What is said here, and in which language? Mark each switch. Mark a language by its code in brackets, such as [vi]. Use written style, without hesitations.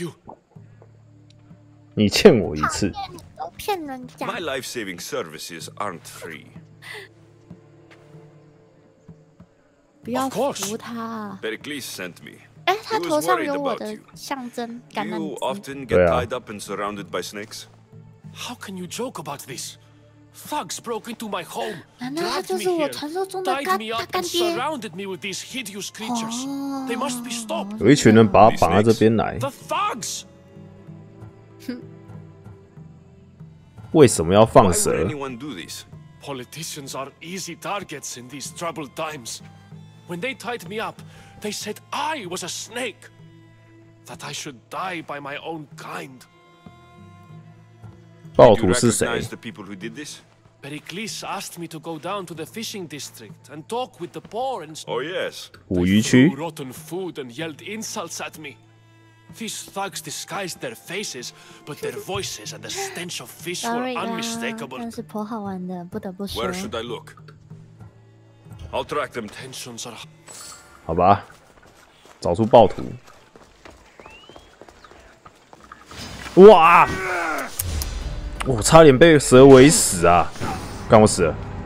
[zh] you. 你欠我一次。都骗人家。 [en] My life-saving services aren't free. [zh] 不要服他。 [en] Pericles sent me. [zh] 哎，他头上有我的象征橄榄枝。 [en] You often get tied up and surrounded by snakes. How can you joke about this? Thugs broke into my home. [zh] 难道他就是我传说中的大干爹 [en] ？Surrounded me with these hideous creatures. They must be stopped. [zh] 有一群人把他绑到这边来。 [en] The thugs. [zh] 为什么要放蛇？ [en] Why would anyone do this? Politicians are easy targets in these troubled times. When they tied me up, they said I was a snake. That I should die by my own kind. [zh] 暴徒是谁？ [en] Do you recognize the people who did this? Pericles asked me to go down to the fishing district and talk with the poor and... Oh yes. [zh] 捕鱼区？ [en] They threw rotten food and yelled insults at me. These thugs disguised their faces, but their voices and the stench of fish were unmistakable. [zh] 那是颇好玩的，不得不说。 [en] Where should I look? I'll track them. Tensions are. [zh] 好吧，找出暴徒。哇！我差点被蛇围死啊！干我死了！